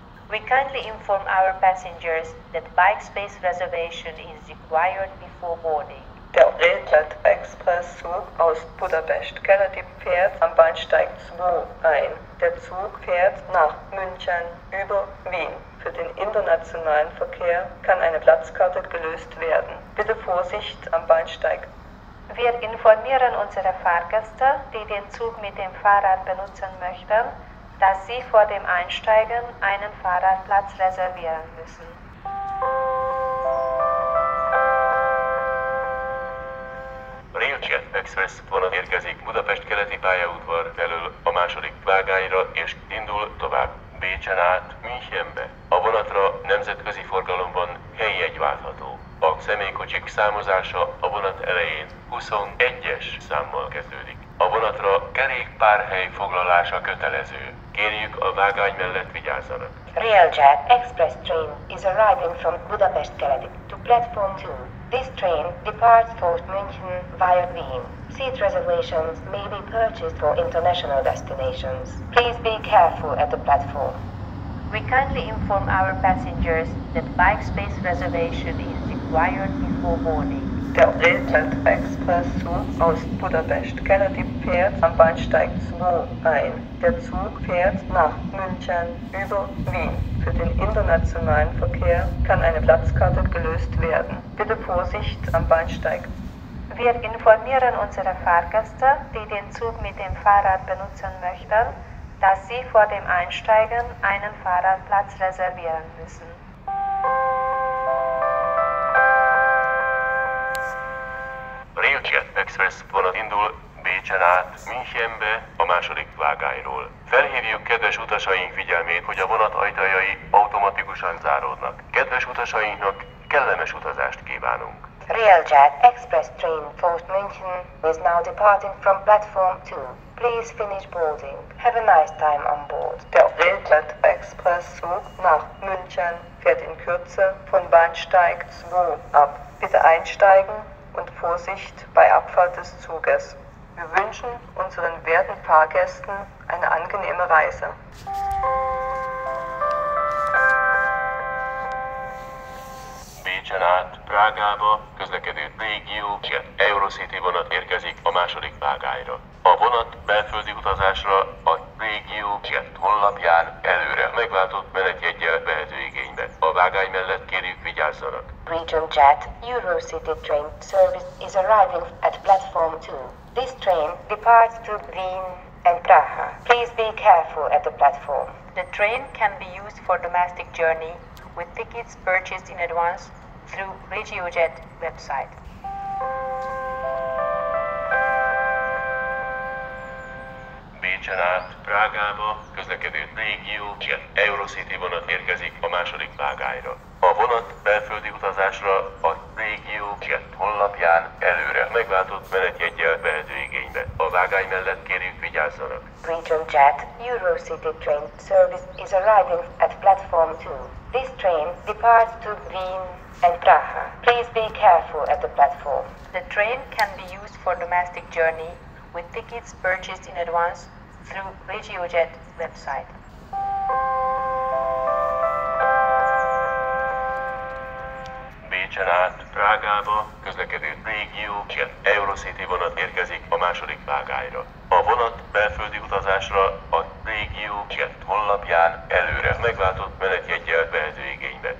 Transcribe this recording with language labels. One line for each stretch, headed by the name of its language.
English: We kindly inform our passengers that bike space reservation is required before boarding.
German: Der Railjet Express Zug aus Budapest Keleti fährt am Bahnsteig 2 ein. Der Zug fährt nach München über Wien. Für den internationalen Verkehr kann eine Platzkarte gelöst werden. Bitte Vorsicht am Bahnsteig. Wir informieren unsere Fahrgäste, die den Zug mit dem Fahrrad benutzen möchten, dass sie vor dem Einsteigen einen Fahrradplatz reservieren müssen.
Hungarian: Railjet Express vonat érkezik Budapest keleti pályaudvar felől a második vágányra és indul tovább Bécsen át Münchenbe. A vonatra nemzetközi forgalomban helyi jegy váltható. A személykocsik számozása a vonat elején 21-es számmal kezdődik. A vonatra kerékpárhely foglalása kötelező. Kérjük a vágány mellett vigyázzanak.
English: Railjet Express train is arriving from Budapest keleti to platform 2. This train departs for München via Wien. Seat reservations may be purchased for international destinations. Please be careful at the platform. We kindly inform our passengers that bike space reservation is required before boarding.
German: Der Railjet Express Zug aus Budapest Keleti fährt am Bahnsteig 2 ein. Der Zug fährt nach München über Wien. Für den internationalen Verkehr kann eine Platzkarte gelöst werden. Bitte Vorsicht am Bahnsteig. Wir informieren unsere Fahrgäste, die den Zug mit dem Fahrrad benutzen möchten, dass sie vor dem Einsteigen einen Fahrradplatz reservieren müssen.
Hungarian: Railjet Express vonat indul Bécsen át Münchenbe a második vágányról. Felhívjuk kedves utasaink figyelmét, hogy a vonat ajtajai automatikusan záródnak. Kedves utasainknak kellemes utazást kívánunk!
English: Railjet Express train for München is now departing from platform 2. Please finish boarding. Have a nice time on board.
German: Der Railjet Express Zug nach München fährt in Kürze von Bahnsteig 2 ab. Bitte einsteigen. Und Vorsicht bei Abfahrt des Zuges. Wir wünschen unseren werten Fahrgästen eine angenehme Reise.
Hungarian: Bécsen át Prágába közlekedő Régiójet Eurocity vonat érkezik a második vágányra. A vonat belföldi utazásra a Régiójet honlapján előre megváltott menetjeggyel vehető igénybe. A vágány mellett kérjük vigyázzanak.
English: Regionjet Eurocity train service is arriving at platform 2. This train departs to Wien and Praha. Please be careful at the platform. The train can be used for domestic journey with tickets purchased in advance through Regiojet website.
Hungarian: Bécsen át Prágába közlekedő Regiojet Eurocity vonat érkezik a második vágányra. A vonat belföldi utazásra a Regiojet honlapján előre megváltott menetjeggyel vehető igénybe. A vágány mellett kérjük vigyázzanak.
English: Regiojet Eurocity train service is arriving at platform 2. This train departs to Wien and Praha. Please be careful at the platform. The train can be used for domestic journey with tickets purchased in advance through Regiojet website.
Hungarian: Bécsen át Prágába közlekedő Regiojet Eurocity vonat érkezik a második vágányra. A vonat belföldi utazásra a Regiojet honlapján előre megváltott menetjeggyel vehető igénybe.